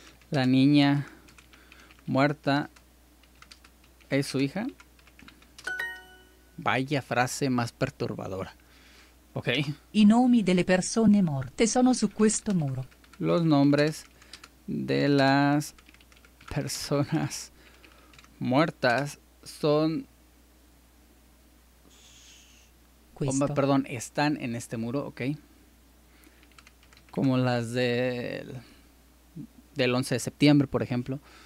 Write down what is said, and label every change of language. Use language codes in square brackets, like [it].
[es] La niña muerta es su hija. Vaya frase más perturbadora. Ok. [it] I nomi delle persone morte sono su questo muro. [es] Los nombres de las personas muertas son [it] questo. [es] Están en este muro, ok. Como las del 11 de septiembre, por ejemplo.